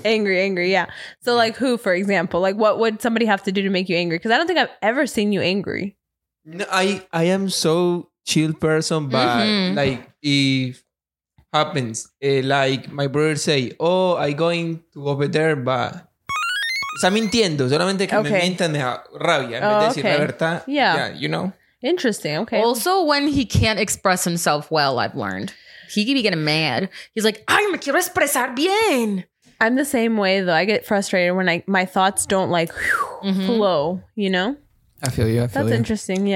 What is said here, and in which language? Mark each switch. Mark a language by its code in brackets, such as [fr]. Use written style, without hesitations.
[en] Angry, yeah. So yeah. Like who, for example? Like what would somebody have to do to make you angry? Because I don't think I've ever seen you angry. No, I am so chill person, but like if happens, like my brother say, oh, I going to over there, but... [es] Está mintiendo, solamente que me mientan de rabia. En vez de decir la verdad, [en] yeah, you know? Interesting, okay. Also, when he can't express himself well, I've learned. He could be getting mad. He's like, [es] ay, me quiero expresar bien. [en] I'm the same way, though. I get frustrated when my thoughts don't, like, flow, you know? I feel you. That's interesting, yeah.